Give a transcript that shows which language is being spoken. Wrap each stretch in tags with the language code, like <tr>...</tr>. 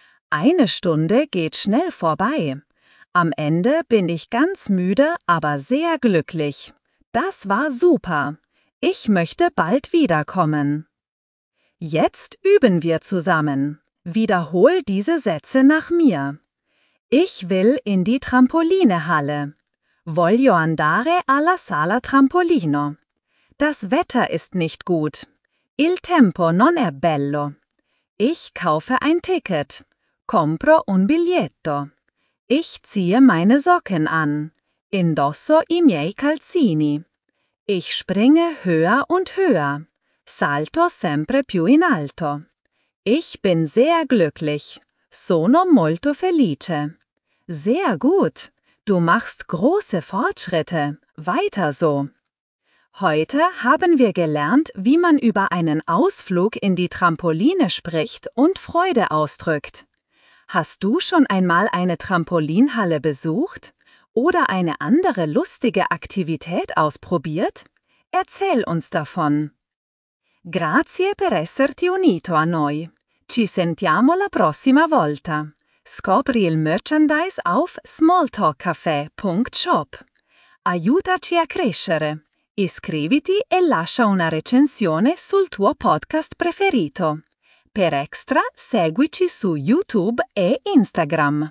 <de>Eine Stunde geht schnell vorbei. Am Ende bin ich ganz müde, aber sehr glücklich. Das war super. Ich möchte bald wiederkommen. Jetzt üben wir zusammen. Wiederhol diese Sätze nach mir. Ich will in die Trampolinehalle.</de> <it>Voglio andare alla sala trampolino.</it> <de>Das Wetter ist nicht gut.</de> <it>Il tempo non è bello.</it> <de>Ich kaufe ein Ticket.</de> <it>Compro un biglietto.</it> <de>Ich ziehe meine Socken an.</de> <it>Indosso i miei calzini.</it> <de>Ich springe höher und höher.</de> <it>Salto sempre più in alto.</it> <de>Ich bin sehr glücklich.</de> <it>Sono molto felice.</it> <de>Sehr gut. Du machst große Fortschritte. Weiter so. Heute haben wir gelernt, wie man über einen Ausflug in die Trampoline spricht und Freude ausdrückt. Hast du schon einmal eine Trampolinhalle besucht oder eine andere lustige Aktivität ausprobiert? Erzähl uns davon.</de> <it>Grazie per esserti unito a noi. Ci sentiamo la prossima volta. Scopri il merchandise</it> <de>auf</de> <it>smalltalkcafé.shop. Aiutaci a crescere. Iscriviti e lascia una recensione sul tuo podcast preferito. Per extra, seguici su YouTube e Instagram.</it>